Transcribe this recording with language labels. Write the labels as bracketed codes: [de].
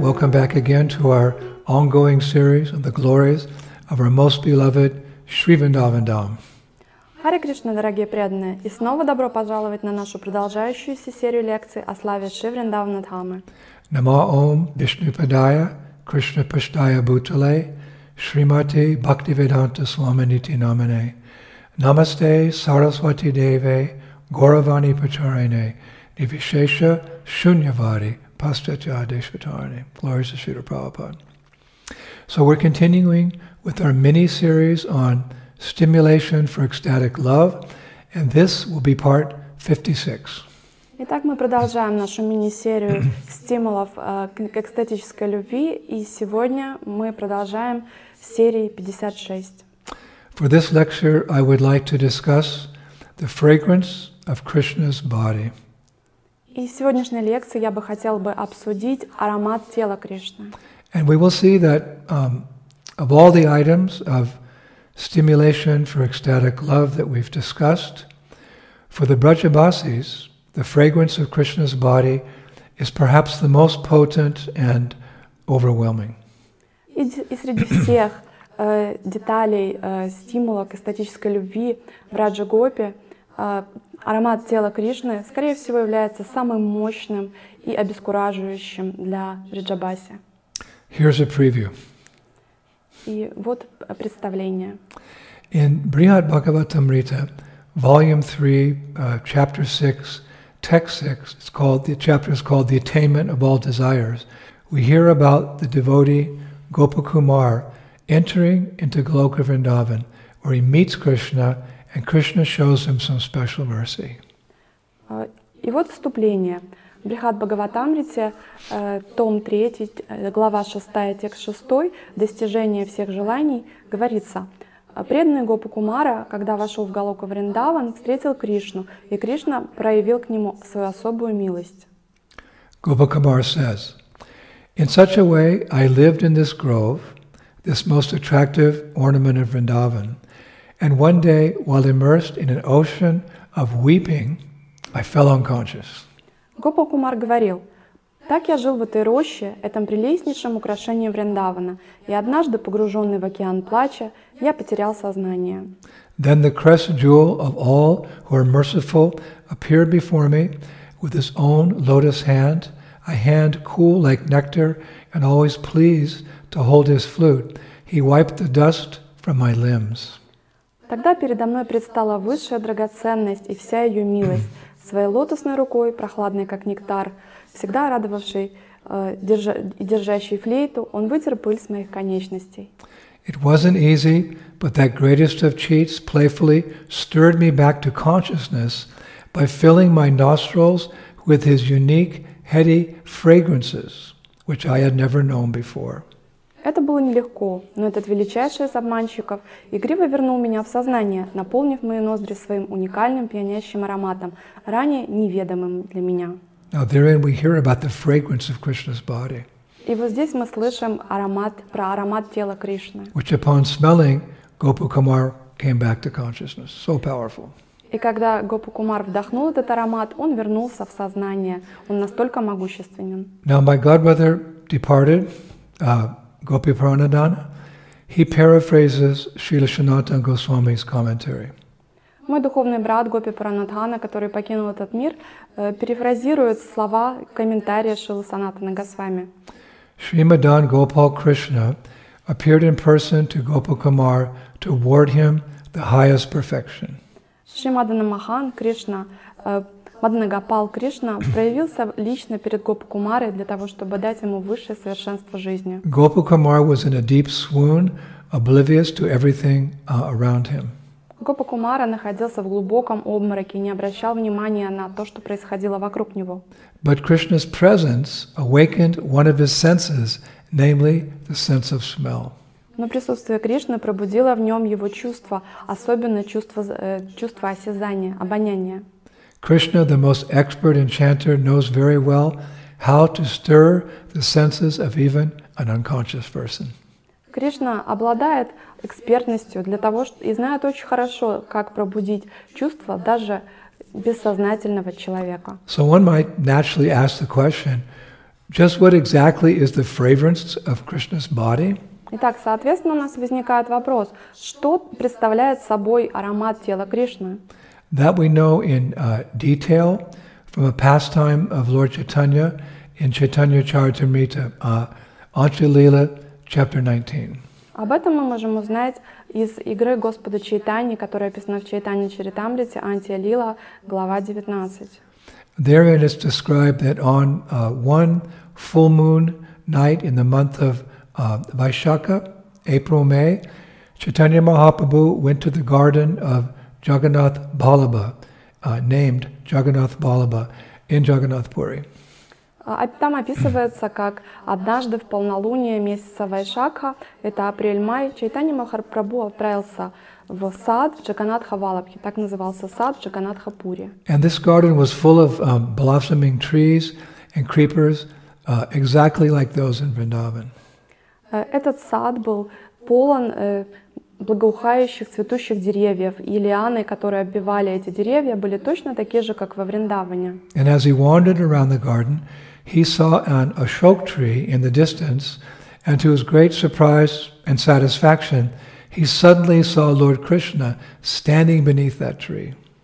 [en] Welcome back again to our ongoing series of the glories of our most beloved Sri Vrindavan Dham. [ru] Hare Krishna, дорогие преданные, и снова добро пожаловать на нашу продолжающуюся серию лекций о славе Шри Вриндавана Дхамы. [sa] Нама Ом Вишнупадая, Кришна Пуштая Бутале, Шримати Бхактивиданта Сламанити Намане, Намасте Сарасвати Деве, Гуравани Пачарине, Нивишеша Шуньявари, Pastachadeshvatarani. [en] Glories to Srila Prabhupada. So we're continuing with our mini-series on stimulation for ecstatic love, and this will be part 56. [ru] Итак, мы продолжаем нашу мини-серию стимулов к экстатической любви, и сегодня мы продолжаем серии 56. [en] For this lecture, I would like to discuss the fragrance of Krishna's body. [ru] И в сегодняшней лекции я бы хотел бы обсудить аромат тела Кришны. [en] And we will see that of all the items of stimulation for ecstatic love that we've discussed, for the Brajabasis, the fragrance of Krishna's body is perhaps the most potent and overwhelming. [ru] И среди всех деталей стимула к эстетической любви в Раджа-гопе, аромат тела Кришны, скорее всего, является самым мощным и обескураживающим для Раджабаси. [en] Here's a preview. [ru] И вот представление. [en] In Brihat Bhagavatamrita, volume 3, chapter 6, text 6, the chapter is called The Attainment of All Desires. We hear about the devotee Gopakumar entering into Goloka Vrindavan, where he meets Krishna, and Krishna shows him some special mercy. [ru] И вот вступление. Брихат Бхагаватамрите, том 3, глава 6, текст 6, достижение всех желаний, говорится. Преданный Гопакумара, когда вошел в Голоку Вриндаван, встретил Кришну, и Кришна проявил к нему свою особую милость. [en] Gopakumar says, in such a way I lived in this grove, this most attractive ornament of Vrindavan, and one day, while immersed in an ocean of weeping, I fell unconscious. [ru] Гопакумар говорил, так я жил в этой роще, этом прелестнейшем украшении Вриндавана, и однажды, погруженный в океан плача, я потерял сознание. [en] Then the crest jewel of all who are merciful appeared before me with his own lotus hand, a hand cool like nectar and always pleased to hold his flute. He wiped the dust from my limbs. [ru] Тогда передо мной предстала высшая драгоценность и вся ее милость, своей лотосной рукой, прохладной как нектар, всегда радовавшей и держащей флейту, он вытер пыль с моих конечностей. [en] It wasn't easy, but that greatest of cheats playfully stirred me back to consciousness by filling my nostrils with his unique heady fragrances, which I had never known before. [ru] Это было нелегко, но этот величайший из обманщиков игриво вернул меня в сознание, наполнив мои ноздри своим уникальным пьянящим ароматом, ранее неведомым для меня. [en] Now therein we hear about the fragrance of Krishna's body. [ru] И вот здесь мы слышим аромат, про аромат тела Кришны. [en] Which upon smelling, Gopakumar came back to consciousness. So powerful. [ru] И когда Гопакумар вдохнул этот аромат, он вернулся в сознание. Он настолько могущественен. [en] Now my godbrother departed, Gopi Pranadana, he paraphrases Srila Sanatan Goswami's commentary. [ru] Мой духовный брат Гопи Пранадхана, который покинул этот мир, перефразирует слова комментария Шрилы Санатана Госвами. [en] Shri Madan Gopal Krishna appeared in person to Gopakumar to award him the highest perfection. [ru] Shri Madana Mahan Krishna, Madana Gopal Krishna проявился лично перед Гопакумарой для того, чтобы дать ему высшее совершенство жизни. [en] Gopakumar was in a deep swoon, oblivious to everything around him. [ru] Гопакумара находился в глубоком обмороке и не обращал внимания на то, что происходило вокруг него. [en] But Krishna's presence awakened one of his senses, namely the sense of smell. [ru] Но присутствие Кришны пробудило в нем его чувство, особенно чувство осязания, обоняния. [en] Krishna, the most expert enchanter, knows very well how to stir the senses of even an unconscious person. [ru] Кришна обладает экспертностью для того, и знает очень хорошо, как пробудить чувства даже бессознательного человека. [en] So one might naturally ask the question, Just what exactly is the fragrance of Krishna's body? [ru] Итак, соответственно, у нас возникает вопрос, что представляет собой аромат тела Кришны? [en] That we know in detail from a pastime of Lord Chaitanya in Chaitanya Charitamrita, Anjali-lila, chapter 19. [ru] Об этом мы можем узнать из игры Господа Чайтани, которая описана в Чайтани Чаритамрите, Анти-лила, глава 19. [en] Therein is described that on one full moon night in the month of Vaishakha, April, May, Chaitanya Mahaprabhu went to the garden of Jagannath Ballabha, named Jagannath Ballabha, in Jagannath Puri. [ru] Там описывается, как однажды в полнолуние месяца Вайшакха, это апрель-май, Чайтанья Махапрабху отправился в сад Джаганатха Валабхи, так назывался сад Джаганатха Пури. [en] And this garden was full of blossoming trees and creepers, exactly like those in Vrindavan. [ru] Этот сад был полон благоухающих цветущих деревьев, и лианы, которые оббивали эти деревья, были точно такие же, как во Вриндаване. [en] And as he wandered around the garden, he saw an ashok tree in the distance, and to his great surprise and satisfaction, he suddenly saw Lord Krishna standing beneath that tree.